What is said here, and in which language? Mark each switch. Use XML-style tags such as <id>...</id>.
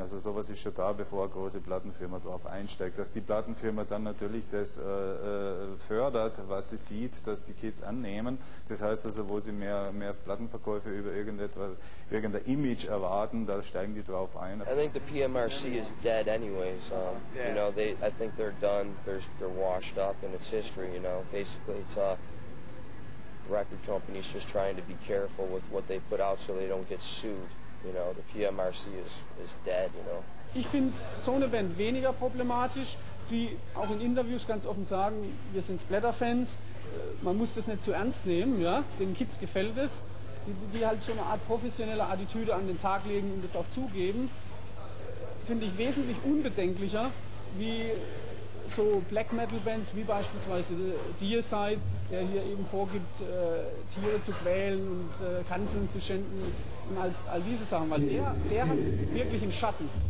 <de>Also sowas ist schon da, bevor eine große Plattenfirma darauf einsteigt. Dass die Plattenfirma dann natürlich das fördert, was sie sieht, dass die Kids annehmen. Das heißt also, wo sie mehr Plattenverkäufe über irgendein Image erwarten, da steigen die drauf ein.</de> <en>I think the PMRC is dead anyways. You know, I think they're done, they're washed up and it's history, you know. Basically it's record companies just trying to be careful with what they put out so they don't get sued, you know. The PMRC is dead, you know.</en> <de>Ich finde so eine Band weniger problematisch, die auch in Interviews ganz offen sagen, wir sind Splatter-Fans, man muss das nicht zu ernst nehmen, ja, den Kids gefällt es, die halt schon eine Art professionelle Attitüde an den Tag legen und das auch zugeben, finde ich wesentlich unbedenklicher, wie so Black-Metal-Bands wie beispielsweise Deicide, der hier eben vorgibt, Tiere zu quälen und Kanzeln zu schänden und all diese Sachen, weil der hat wirklich einen Schatten.</de>